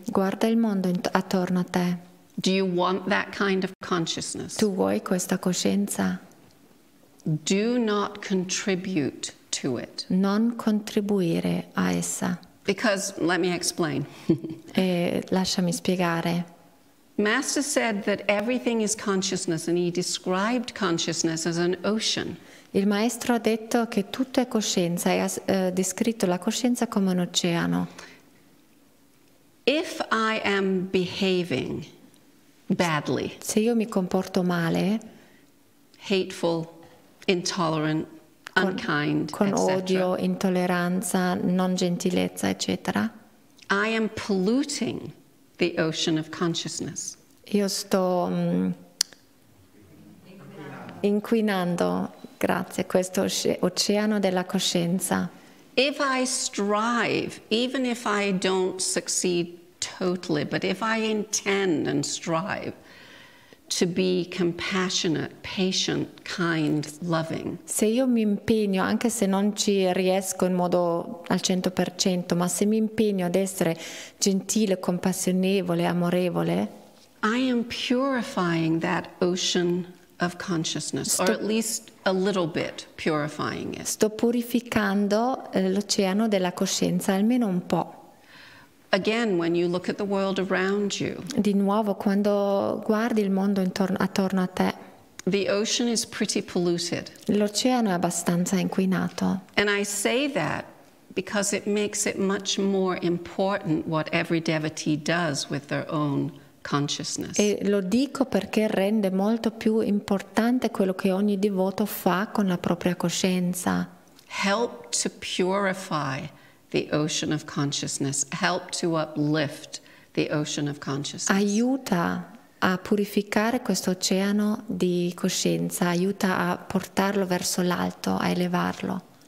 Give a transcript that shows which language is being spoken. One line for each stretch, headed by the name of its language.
Italian: Guarda il mondo attorno a te.
English: Do you want that kind of consciousness?
Italian: Tu vuoi questa coscienza?
English: Do not contribute to it.
Italian: Non contribuire a essa.
English: Because let me explain.
Italian: E lasciami spiegare.
English: Master said that everything is consciousness, and he described consciousness as an ocean.
Italian: Il maestro ha detto che tutto è coscienza e ha descritto la coscienza come un oceano.
English: If I am behaving badly,
Italian: se io mi comporto male,
English: hateful, intolerant, unkind,
Italian: con odio, intolleranza, non gentilezza, eccetera,
English: I am polluting the ocean of consciousness.
Italian: Io sto inquinando, grazie, questo oceano della coscienza.
English: If I strive, even if I don't succeed totally, but if I intend and strive to be compassionate, patient, kind, loving.
Italian: Se io mi impegno, anche se non ci riesco in modo al 100%, ma se mi impegno ad essere gentile, compassionevole, amorevole,
English: I am purifying that ocean of consciousness, or at least a little bit purifying it.
Italian: Sto purificando l'oceano della coscienza, almeno un po'.
English: Again, when you look at the world around you.
Italian: Di nuovo, quando guardi il mondo attorno a te.
English: The ocean is pretty polluted.
Italian: L'oceano è abbastanza inquinato.
English: And I say that because it makes it much more important what every devotee does with their own consciousness.
Italian: E lo dico perché rende molto più importante quello che ogni devoto fa con la propria coscienza.
English: Help to purify the ocean of consciousness. Help to uplift the ocean of consciousness.
Italian: Aiuta a purificare questo oceano di coscienza. Aiuta a portarlo verso l'alto, a elevarlo.